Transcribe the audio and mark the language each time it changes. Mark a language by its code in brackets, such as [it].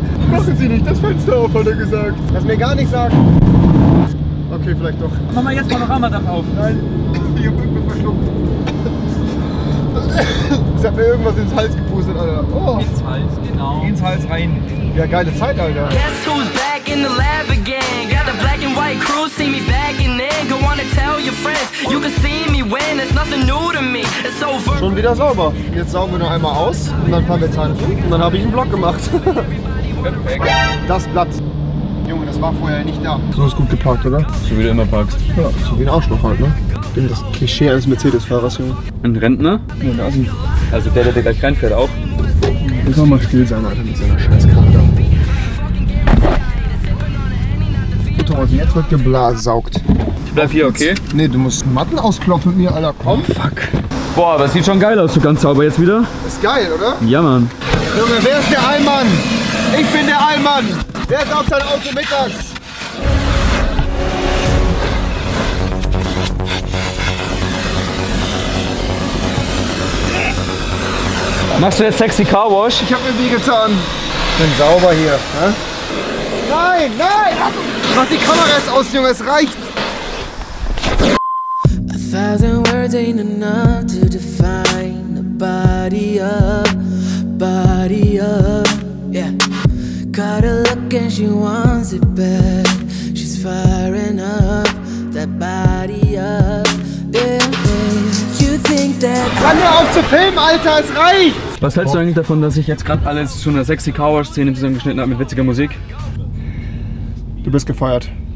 [de] Machen Sie nicht das Fenster auf, hat er gesagt. Lass mir gar nicht sagen. Okay, vielleicht doch. Mach mal jetzt mal noch einmal Dach auf. Nein, ich hab mich verschluckt. Das hat mir irgendwas ins Hals gepustet, Alter. Oh. Ins Hals, genau. Ins Hals rein. Ja, geile Zeit, Alter. [en] Guess who's back in the lab again? Got the black and white crew, see me back in there. Go on and tell your friends, you can see me when. It's nothing new to me. It's over. [de] Schon wieder sauber. Jetzt saugen wir noch einmal aus und dann fahren wir jetzt Zeit. Und dann habe ich einen Vlog gemacht. Das Blatt. Junge, das war vorher nicht da. Du hast gut geparkt, oder? So wie du immer parkst. Ja, so wie ein Arschloch halt, ne? Ich bin das Klischee eines Mercedes-Fahrers, Junge. Ein Rentner? Nein, das nicht. Also der, der gleich reinfährt, auch. Muss man mal still sein, Alter, mit seiner Scheißkarte. Gut, Thomas, jetzt wird geblasen, saugt. Ich bleib hier, okay? Nee, du musst Matten ausklopfen mit mir, Alter. Komm. [en] Oh, fuck. [de] Boah, aber es sieht schon geil aus, so ganz sauber jetzt wieder. Ist geil, oder? Ja, Mann. Junge, wer ist der Allmann? Ich bin der Allmann! Wer saugt sein Auto mittags? Machst du jetzt sexy Carwash? Ich hab mir wie getan. Ich bin sauber hier. Ne? Nein, nein! Mach die Kamera jetzt aus, Junge, es reicht! [en] A thousand words ain't enough to define a body up, body up. Caught a look and she wants it back. She's firing up that body up. Yeah, you think that. [de] Kann ja auch zu filmen, Alter, es reicht! Was hältst du eigentlich davon, dass ich jetzt gerade alles zu einer sexy Cowboy-Szene zusammengeschnitten habe mit witziger Musik? Du bist gefeiert.